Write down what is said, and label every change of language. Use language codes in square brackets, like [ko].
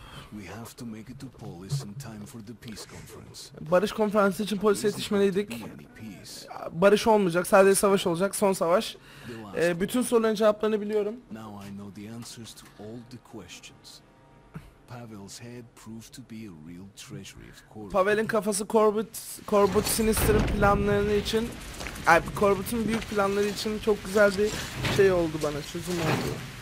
[en] We have to make it to police in time for the peace conference. [tr] Barış konferansı için polise yetişmeliydik. Barış olmayacak, sadece savaş olacak, son savaş. Bütün soruların cevaplarını biliyorum. [en] Now I know the answers to all the questions. Pavel's head proved to be a real treasury of Corbett. [tr] Pavel'in kafası Corbett Sinister'ın planları için, yani Corbett'in büyük planları için çok güzel bir şey oldu bana, çözüm oldu.